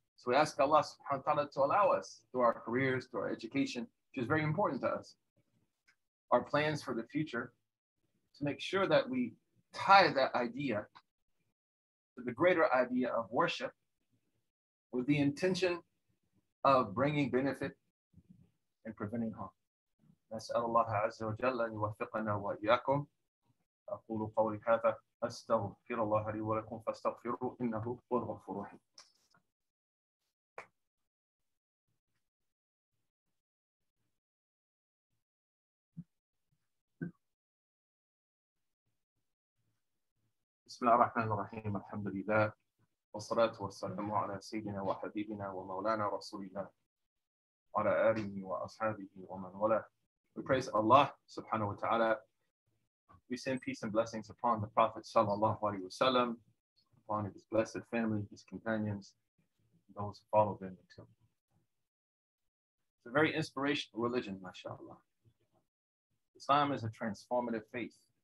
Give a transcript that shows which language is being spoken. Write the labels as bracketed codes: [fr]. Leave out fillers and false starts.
[en] So we ask Allah subhanahu wa ta'ala to allow us through our careers, through our education, which is very important to us, our plans for the future, to make sure that we tie that idea to the greater idea of worship with the intention of bringing benefit and preventing harm. [ar] نسأل الله عز وجل أن يوفقنا وإياكم أقول قولي هذا أستغفر الله لي ولكم فاستغفروه إنه هو الغفور الرحيم. بسم الله الرحمن الرحيم الحمد لله والصلاة والسلام على سيدنا وحبيبنا ومولانا رسول الله وعلى آله وأصحابه ومن والاه. [en] We praise Allah subhanahu wa ta'ala. We send peace and blessings upon the Prophet sallallahu alaihi wasallam, upon his blessed family, his companions, those who follow them until. It's a very inspirational religion, mashallah. Islam is a transformative faith.